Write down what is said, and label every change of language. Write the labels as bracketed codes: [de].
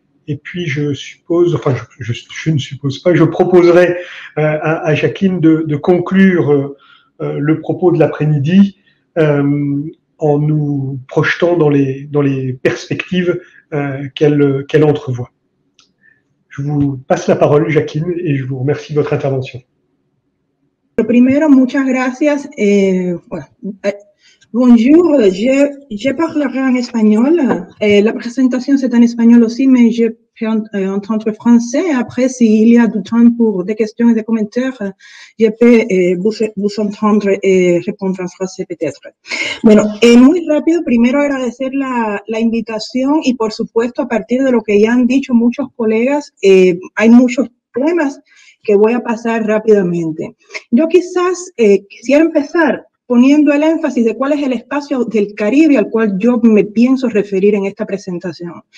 [fr] Et puis, je proposerai à Jacqueline de conclure le propos de l'après-midi en nous projetant dans les perspectives qu'elle entrevoit. Je vous passe la parole, Jacqueline, et je vous remercie de votre intervention. [es] Primero, muchas gracias. [fr] Bonjour, je parlerai en espagnol. La présentation, c'est en espagnol aussi, mais je peux entendre français. Après, s'il y a du temps pour des questions et des commentaires, je peux vous entendre et répondre en français peut-être. [es] Bueno, muy rápido, primero agradecer la invitación y, por supuesto, a partir de lo que ya han dicho muchos colegas, hay muchos temas que voy a pasar rápidamente. Yo quizás quisiera empezar poniendo el énfasis de cuál es el espacio del Caribe al cual yo me pienso referir en esta presentación.